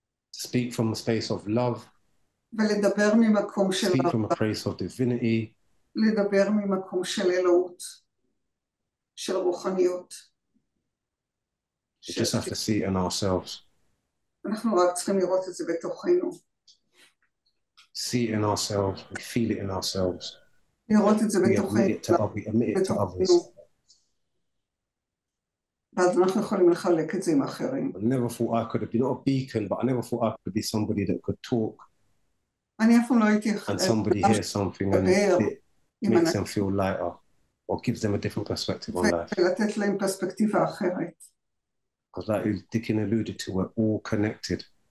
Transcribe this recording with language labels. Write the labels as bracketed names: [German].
[English] Speak from a space of love. Speak from a place of divinity. [Hebrew] לדבר ממקום של אלוהות, של רוחניות. [English] We just have to see it in ourselves. [Hebrew] אנחנו רק צריכים לראות את זה בתוכנו. [English] See it in ourselves. We feel it in ourselves. [Hebrew] לראות את זה בתוכנו. [English] We admit it to others. [Hebrew] אז אנחנו יכולים לחלק את זה עם אחרים. [English] I never thought I could be not a beacon, but I never thought I could be somebody that could talk. [Hebrew] אני אף פעם לא הייתי [English] and somebody hear something and makes them feel lighter or gives them a different perspective on life. Because like Dickin alluded to, we're all connected.